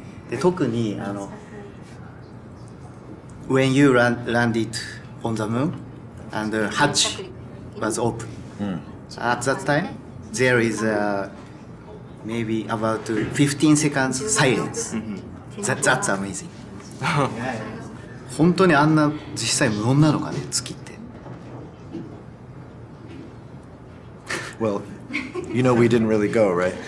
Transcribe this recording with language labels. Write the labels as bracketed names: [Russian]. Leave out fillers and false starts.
[Japanese] で、特に、あの、 [English] When you landed on the moon, and the hatch was open.、 Mm. At that time, there is maybe about 15 seconds silence.、 Mm-hmm. That's amazing. [Japanese] 本当にあんな実際無音なのかね、月って。 [English] Well, you know we didn't really go, right?